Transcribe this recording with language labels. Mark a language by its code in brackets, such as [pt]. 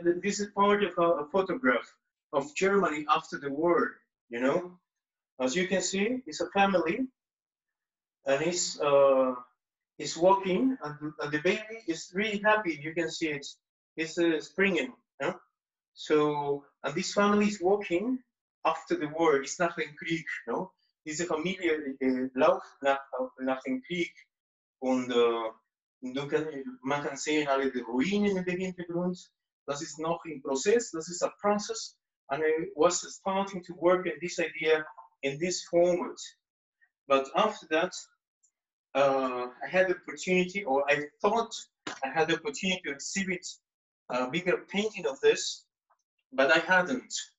[en] This is part of a photograph of Germany after the war. You know. As you can see, it's a family, and he's walking, and the baby is really happy. You can see it; it's springing. Yeah? So, and this family is walking, after the war, [de] ist nach dem Krieg, no? Diese Familie läuft nach dem Krieg und man kann sehen alle die Ruinen im Hintergrund. Das ist noch im Prozess, das ist ein Prozess. [en] And I was starting to work in this idea in this format. But after that, I had the opportunity, or I thought I had the opportunity to exhibit a bigger painting of this, but I hadn't.